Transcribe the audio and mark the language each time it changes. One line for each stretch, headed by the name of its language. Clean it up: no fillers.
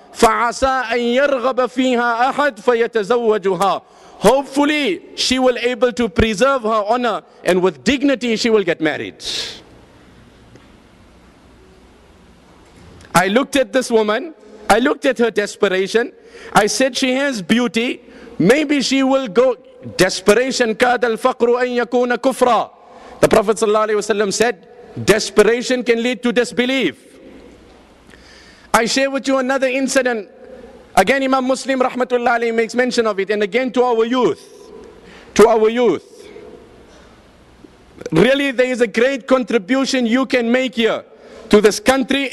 Arabic: فَعَسَىٰ أَن يَرْغَبَ فِيهَا أَحَدْ فَيَتَزَوَّجُهَا.
English: Hopefully, she will able to preserve her honor and with dignity she will get married. I looked at this woman. I looked at her desperation. I said, she has beauty. Maybe she will go. Desperation
Arabic: كَادَ الْفَقْرُ أَن يَكُونَ كُفْرًا.
English: The Prophet ﷺ said, desperation can lead to disbelief. I share with you another incident. Again, Imam Muslim rahmatullah alayhi makes mention of it. And again, to our youth. Really, there is a great contribution you can make here to this country.